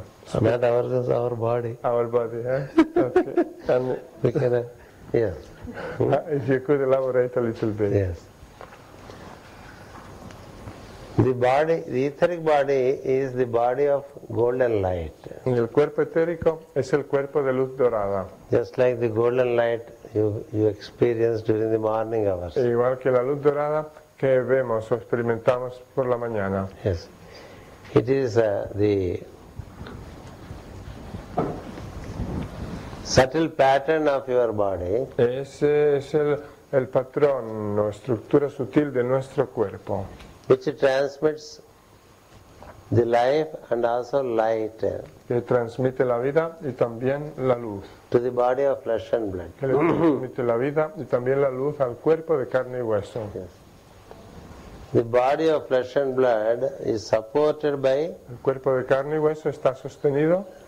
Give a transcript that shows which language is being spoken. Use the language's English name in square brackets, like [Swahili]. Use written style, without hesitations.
[English] speak. Not ourselves, our body. Our body, yeah? Okay. Yes. If you could elaborate a little bit. Yes. The body, the etheric body is the body of golden light. [Spanish] El cuerpo etérico es el cuerpo de luz dorada. [English] Just like the golden light you experience during the morning hours. [Spanish] Igual que la luz dorada que vemos o experimentamos por la mañana. [English] Yes. It is the subtle pattern of your body. [Spanish] Ese es el patrón o estructura sutil de nuestro cuerpo. [English] Which transmits the life and also light. [Spanish] Que transmite la vida y también la luz. [English] To the body of flesh and blood. [Spanish] Que transmite la vida y también la luz al cuerpo de carne y hueso. [English] Yes. The body of flesh and blood is supported by. [Spanish] El cuerpo de carne y hueso está sostenido.